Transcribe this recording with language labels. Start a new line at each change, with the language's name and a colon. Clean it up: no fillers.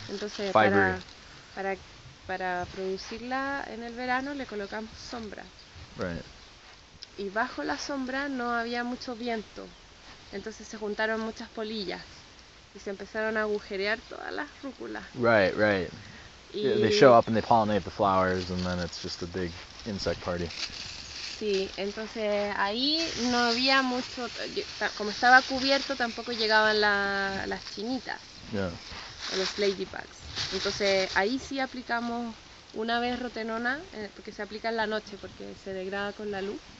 Spanish: Entonces, para producirla en el verano le colocamos sombra.
English: Right.
Spanish: Y bajo la sombra no había mucho viento. Entonces se juntaron muchas polillas y se empezaron a agujerear todas las rúculas.
English: Right, right. Yeah, they show up and they pollinate the flowers and then it's just a big insect party.
Spanish: Sí, entonces ahí no había mucho, como estaba cubierto, tampoco llegaban las chinitas, yeah, los ladybugs. Entonces ahí sí aplicamos una vez rotenona, porque se aplica en la noche, porque se degrada con la luz.